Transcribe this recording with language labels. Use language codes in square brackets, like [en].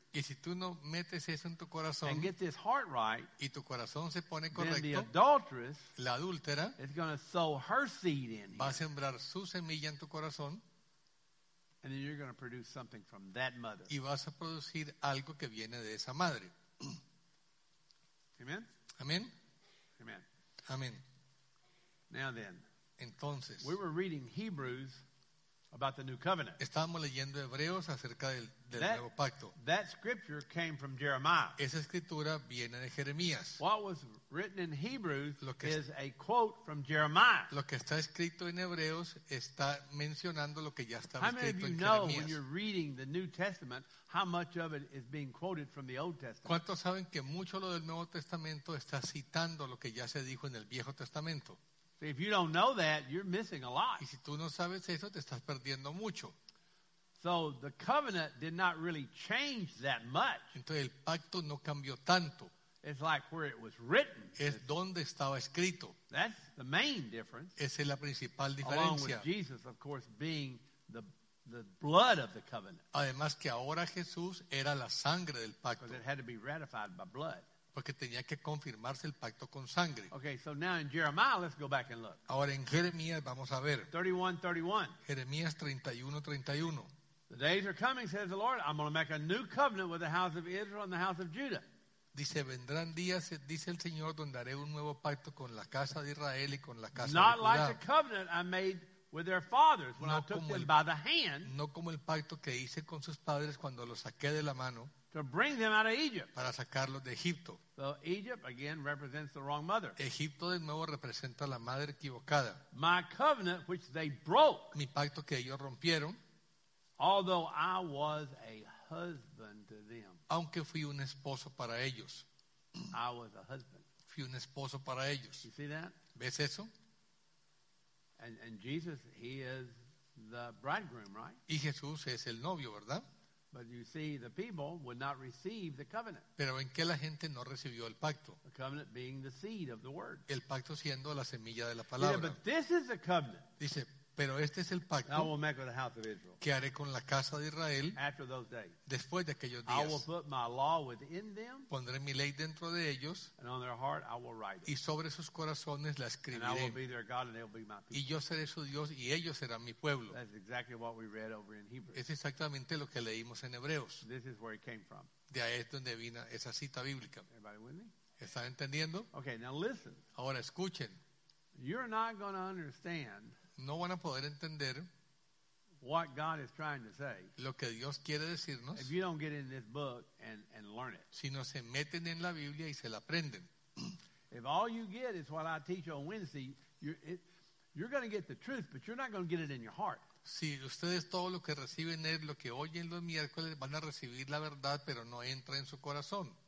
[es] y si tú no metes eso en tu corazón, [en] and get this heart right, [es] y tu corazón se pone correcto, [en] then the adulteress, [es] la adúltera, [en] is going to sow her seed in here. [es] Va a sembrar su semilla en tu corazón. [en] And then you're going to produce something from that mother. [es] Y vas a producir algo que viene de esa madre. [en] Amen. [es] Amen. [en] Amen. [es] Amen. [en] Now then. [es] Entonces. [en] We were reading Hebrews about the new covenant. [es] Estábamos leyendo Hebreos acerca del nuevo pacto. [en] That scripture came from Jeremiah. [es] Esa escritura viene de Jeremías. [en] What was written in Hebrews is a quote from Jeremiah. [es] Lo que está escrito en Hebreos está mencionando lo que ya estaba escrito en Jeremías. [en] How many of you know when you're reading the New Testament, how much of it is being quoted from the Old Testament? [es] ¿Cuántos saben que mucho lo del Nuevo Testamento está citando lo que ya se dijo en el Viejo Testamento? [en] See, if you don't know that, you're missing a lot. [es] Y si tú no sabes eso, te estás perdiendo mucho. [en] So the covenant did not really change that much. [es] Entonces el pacto no cambió tanto. [en] It's like where it was written. [es] Es donde estaba escrito. [en] That's the main difference. [es] Esa es la principal diferencia. [en] Along with Jesus, of course, being the blood of the covenant. [es] Además que ahora Jesús era la sangre del pacto. [en] Because it had to be ratified by blood. [es] Porque tenía que confirmarse el pacto con sangre. [en] Okay, so now in Jeremiah, let's go back and look. [es] Ahora en Jeremías vamos a ver. [en] 31:31. [es] Jeremías 31:31. [en] The days are coming, says the Lord, I'm going to make a new covenant with the house of Israel and the house of Judah. [es] Dice, vendrán días, dice el Señor, donde haré un nuevo pacto con la casa de Israel y con la casa [en] not Not like the covenant I made with their fathers when [es] no [en] I took them by the hand. [es] No como el pacto que hice con sus padres cuando los saqué de la mano. [en] To bring them out of Egypt. [es] Para sacarlos de Egipto. [en] So Egypt again represents the wrong mother. [es] Egipto de nuevo representa la madre equivocada. [en] My covenant, which they broke. [es] Mi pacto que ellos rompieron. [en] Although I was a husband to them. [es] Aunque fui un esposo para ellos. [en] I was a husband. [es] Fui un esposo para ellos. [en] You see that? [es] ¿Ves eso? [en] And Jesus, he is the bridegroom, right? [es] Y Jesús es el novio, ¿verdad? [en] But you see, the people would not receive the covenant. [es] Pero ¿en qué la gente no recibió el pacto? [en] The covenant being the seed of the word. [es] El pacto siendo la semilla de la palabra. [en] Yeah, but this is the covenant. [es] Dice, pero este es el pacto. [en] I will make with the house of Israel. [es] Que haré con la casa de Israel. [en] After those days. [es] Después de aquellos días. [en] I will put my law within them. [es] Pondré mi ley dentro de ellos. [en] And on their heart I will write it. [es] Y sobre sus corazones la escribiré. [en] And I will be their God and they will be my people. [es] Y yo seré su Dios y ellos serán mi pueblo. [en] That's exactly what we read over in Hebrews. [es] Es exactamente lo que leímos en Hebreos. [en] This is where it came from. [es] De ahí es donde vino esa cita bíblica. [en] Everybody with me? [es] ¿Están entendiendo? [en] Okay, now listen. [es] Ahora escuchen. [en] You're not going to understand. [es] No van a poder entender [en] what God is trying to say [es] lo que Dios quiere decirnos [en] if you don't get in this book and learn it. [es] Si no se meten en la Biblia y se la aprenden. [en] If all you get is what I teach on Wednesday, you're going to get the truth, but you're not going to get it in your heart. [es] Si ustedes todo lo que reciben es lo que oyen los miércoles, van a recibir la verdad, pero no entra en su corazón.